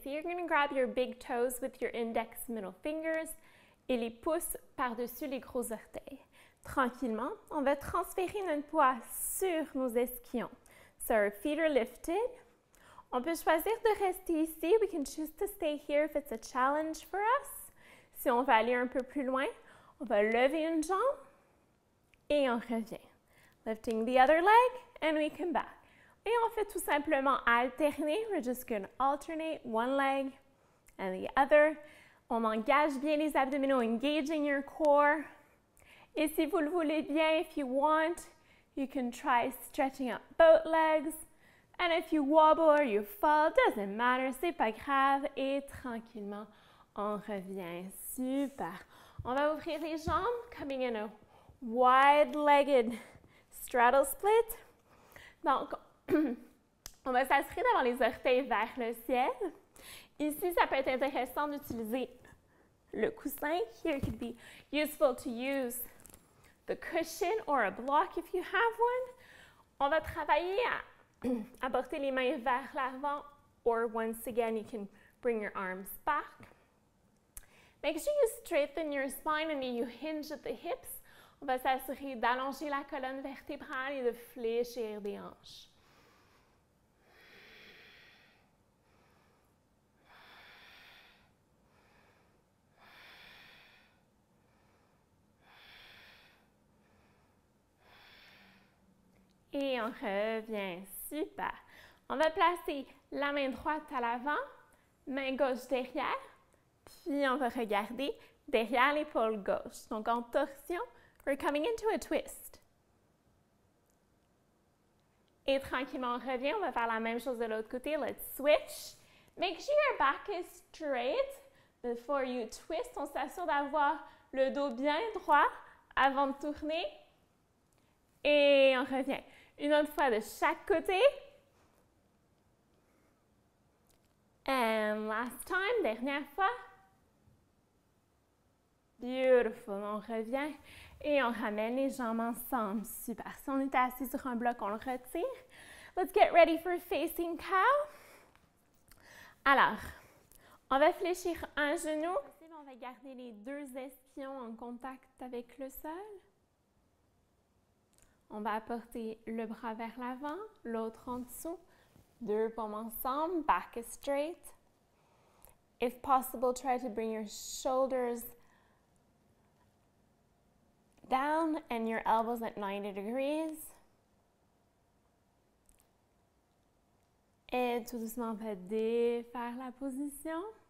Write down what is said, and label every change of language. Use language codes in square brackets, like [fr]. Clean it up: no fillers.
[en] So you're going to grab your big toes with your index middle fingers [fr] et les pouces par-dessus les gros orteils. Tranquillement, on va transférer notre poids sur nos esquillons. [en] So our feet are lifted. [fr] On peut choisir de rester ici. [en] We can choose to stay here if it's a challenge for us. [fr] Si on va aller un peu plus loin, on va lever une jambe et on revient. [en] Lifting the other leg and we come back. [fr] Et on fait tout simplement alterner. [en] We're just going to alternate one leg and the other. [fr] On engage bien les abdominaux, [en] engaging your core. [fr] Et si vous le voulez bien, [en] if you want, you can try stretching up both legs. And if you wobble or you fall, doesn't matter, [fr] c'est pas grave. Et tranquillement, on revient. Super. On va ouvrir les jambes, [en] coming in a wide-legged straddle split. [fr] Donc, on va s'assurer d'avoir les orteils vers le ciel. Ici, ça peut être intéressant d'utiliser le coussin. [en] Here it could be useful to use the cushion or a block if you have one. [fr] On va travailler à apporter les mains vers l'avant, [en] or once again, you can bring your arms back. Make sure you straighten your spine and you hinge at the hips. [fr] On va s'assurer d'allonger la colonne vertébrale et de fléchir les hanches. Et on revient. Super. On va placer la main droite à l'avant, main gauche derrière, puis on va regarder derrière l'épaule gauche. Donc, en torsion, [en] we're coming into a twist. [fr] Et tranquillement, on revient. On va faire la même chose de l'autre côté. [en] Let's switch. Make sure your back is straight before you twist. [fr] On s'assure d'avoir le dos bien droit avant de tourner. Et on revient. Une autre fois de chaque côté. [en] And last time, [fr] dernière fois. [en] Beautiful. [fr] On revient et on ramène les jambes ensemble. Super. Si on était assis sur un bloc, on le retire. [en] Let's get ready for facing cow. [fr] Alors, on va fléchir un genou. On va garder les deux espions en contact avec le sol. On va apporter le bras vers l'avant, l'autre en dessous. Deux paumes ensemble, [en] back is straight. If possible, try to bring your shoulders down and your elbows at 90 degrees. [fr] Et tout doucement, on va défaire la position.